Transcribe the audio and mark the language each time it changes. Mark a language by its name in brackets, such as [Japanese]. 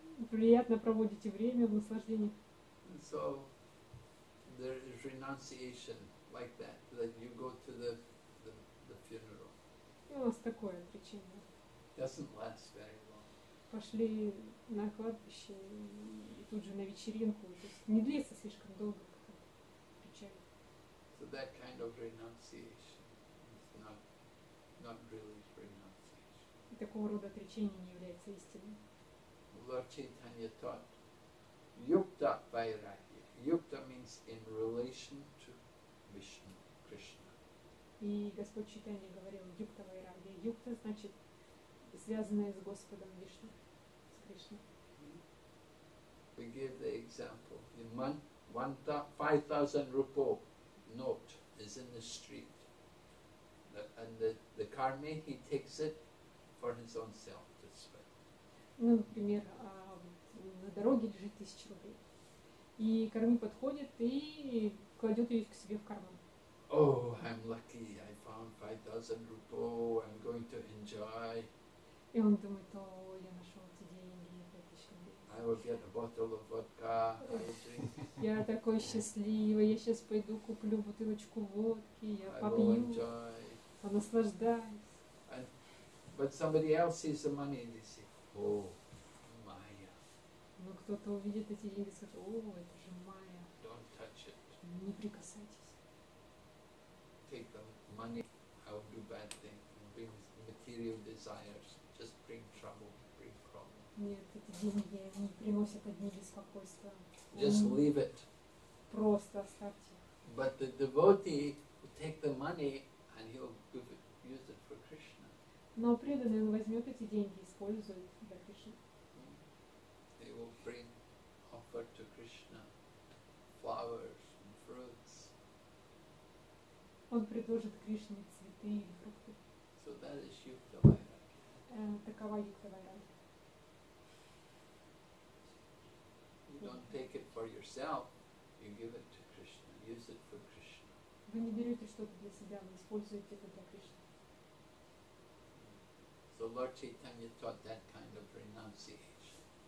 [Russian] Приятно проводите время в наслаждении. [English] So there is renunciation like that, that you go to the funeral. [Russian] У вас такое отречение. [English] Doesn't last very long. [Russian] Пошли на кладбище и тут же на вечеринку. То есть не длится слишком долго. [English] So that kind of renunciation is not really renunciation. [Russian] Такого рода отречение не является истиной. [English] Lord Chaitanya taught yukta vairagya. Yukta means in relation to Vishnu, Krishna. [Russian] И Господь Чайтанья говорил yukta vairagya. Yukta значит связанное с Господом Вишну, с Кришной. [English] We give the example. In 5,000 rupee. Note is in the street, and the karmi he takes it for his own self to spend. [Russian] Ну, например, на дороге лежит 1000 рублей, и карми подходит и кладет ее к себе в карман. [English] Oh, I'm lucky! I found 5,000 rupee. I'm going to enjoy. [Russian] И он думает: о, я нашел эти деньги, 5,000 рублей. [English] I will get a bottle of vodka. [Russian] Я такой счастливый, я сейчас пойду куплю бутылочку водки, я попью, понаслаждаюсь. [English] But somebody else sees the money and they say, oh, Maya. [Russian] Но кто-то увидит эти деньги и скажет, о, это же Maya. [English] Don't touch it. [Russian] Не прикасайтесь. [English] Take the money, I will do bad things, bring material desires, just bring trouble. [Russian] Нет, эти деньги не приносят одни беспокойства. [English] Just leave it. [Russian] Просто оставьте. [English] But the devotee will take the money and he'll give it, use it for Krishna. [Russian] Но преданный возьмет эти деньги и использует для Кришны. [English] They will bring, offer to Krishna flowers and fruits. [Russian] Он предложит Кришне цветы и фрукты. [English] So that is yukta vairagya. [Russian] Такова yukta vairagya. [English] Don't take it for yourself, you give it to Krishna, use it for Krishna. [Russian] Вы не берете что-то для себя, вы используете это для Кришны. [English] So Lord Chaitanya taught that kind of renunciation.